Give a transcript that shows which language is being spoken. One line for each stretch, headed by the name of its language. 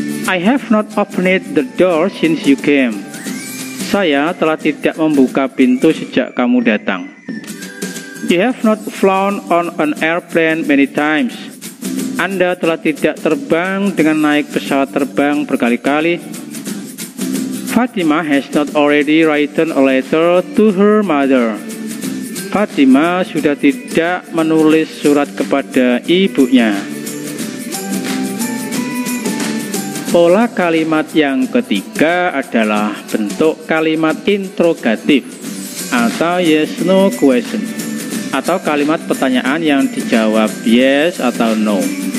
English: I have not opened the door since you came.
Indonesian: Saya telah tidak membuka pintu sejak kamu datang.
English: You have not flown on an airplane many times.
Indonesian: Anda telah tidak terbang dengan naik pesawat terbang berkali-kali.
English: Fatima has not already written a letter to her mother.
Indonesian: Fatima sudah tidak menulis surat kepada ibunya. Pola kalimat yang ketiga adalah bentuk kalimat interrogatif atau yes no question atau kalimat pertanyaan yang dijawab yes atau no.